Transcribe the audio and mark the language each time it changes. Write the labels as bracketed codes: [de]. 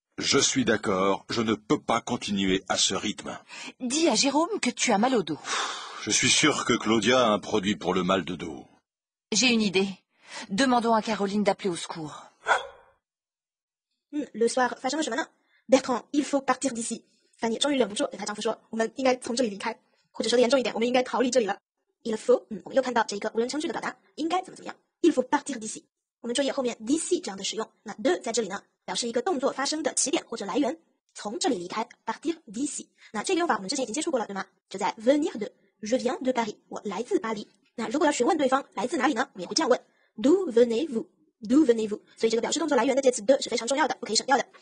[fr] Je suis d'accord， je ne peux pas continuer à ce rythme。 Dis à Jérôme que tu as mal au dos。 Je suis sûr que Claudia a un produit pour le mal de dos。 J'ai une idée，demandons à Caroline d'appeler au secours。 Le soir [zh] 发生了什么呢？Bertrand [fr] il faut partir d'ici， [zh] Fanny 终于忍不住对她丈夫说，我们应该从这里离开，或者说的严重一点，我们应该逃离这里了。 [fr] Il faut， [zh] 我们又看到这一个无人称句的表达，应该怎么怎么样。 [fr] Il faut partir d'ici， [zh] 我们注意后面 d'ici 这样的使用，那 de 在这里呢表示一个动作发生的起点或者来源，从这里离开 [fr] partir d'ici。 [zh] 那这个用法我们之前已经接触过了对吗？就在 [fr] venir de， je viens de Paris， [zh] 我来自巴黎。那如果要询问对方来自哪里呢，我们也会这样问 [fr] d'où venez-vous? D'où venez-vous? [zh] 所以这个表示动作来源的介词 de 是非常重要的，不可以省掉的。